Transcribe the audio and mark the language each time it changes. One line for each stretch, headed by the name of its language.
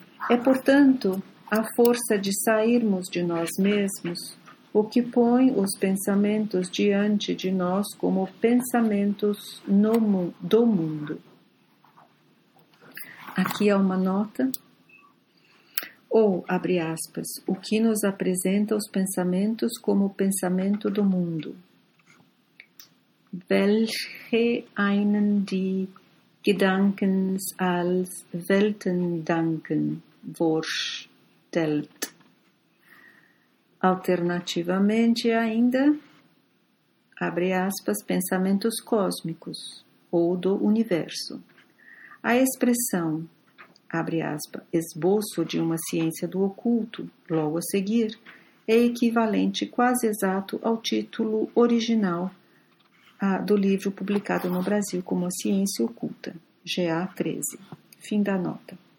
Portuguese: É, portanto, a força de sairmos de nós mesmos o que põe os pensamentos diante de nós como pensamentos do mundo. Aqui há uma nota, ou, abre aspas, o que nos apresenta os pensamentos como o pensamento do mundo.
German: Welche einen die Gedanken als Weltendanken vorstellt.
Portuguese: Alternativamente ainda, abre aspas, pensamentos cósmicos ou do universo. A expressão abre aspas, esboço de uma ciência do oculto, logo a seguir, é equivalente quase exato ao título original do livro publicado no Brasil como A Ciência Oculta, GA 13. Fim da nota.